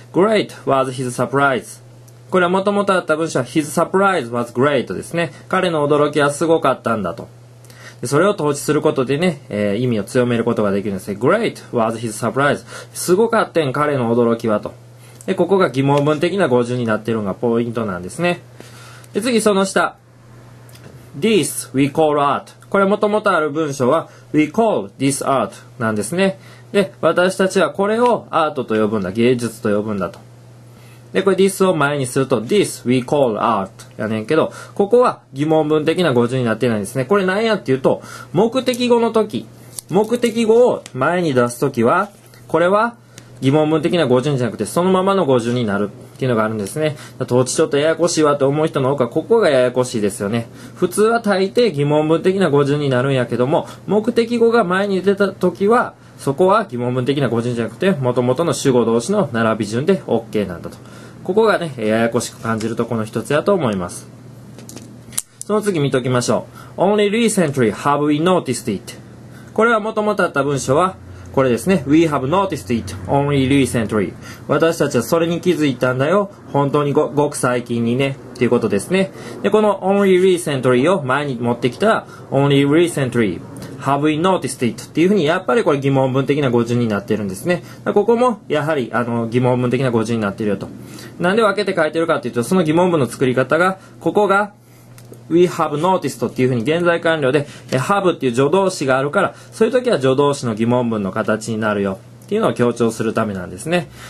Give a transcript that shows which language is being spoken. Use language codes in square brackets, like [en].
[en] Great was his surprise。 [ja] これはもともとあった文章は [en] His surprise was great [ja] ですね。彼の驚きはすごかったんだと。でそれを統治することでね、意味を強めることができるんですね。 [en] Great was his surprise。 [ja] すごかったん彼の驚きはと。でここが疑問文的な語順になっているのがポイントなんですね。で次その下、 [en] This we call art。 [ja] これはもともとある文章は [en] We call this art [ja] なんですね。で私たちはこれをアートと呼ぶんだ、芸術と呼ぶんだと。でこれ this を前にすると [en] this we call art [ja] やねんけど、ここは疑問文的な語順になってないんですね。これなんやっていうと、目的語の時、目的語を前に出す時はこれは疑問文的な語順じゃなくてそのままの語順になるっていうのがあるんですね。統治ちょっとややこしいわって思う人の多くはここがややこしいですよね。普通は大抵疑問文的な語順になるんやけども、目的語が前に出た時はそこは疑問文的な語順じゃなくて元々の主語同士の並び順で OK なんだと。ここがねややこしく感じるところの一つやと思います。その次見ときましょう。 [en] Only recently have we noticed it。 [ja] これは元々あった文章はこれですね。 [en] We have noticed it only recently。 [ja] 私たちはそれに気づいたんだよ、本当に ごく最近にねっていうことですね。でこの Only recently を前に持ってきたら [en] Only recentlyHave we noticed it [ja] っていうふうに、やっぱりこれ疑問文的な語順になってるんですね。ここもやはり疑問文的な語順になってるよと。なんで分けて書いてるかっていうと、その疑問文の作り方が、ここが [en] we have noticed [ja] っていうふうに現在完了で、have っていう助動詞があるから、そういう時は助動詞の疑問文の形になるよっていうのを強調するためなんですね。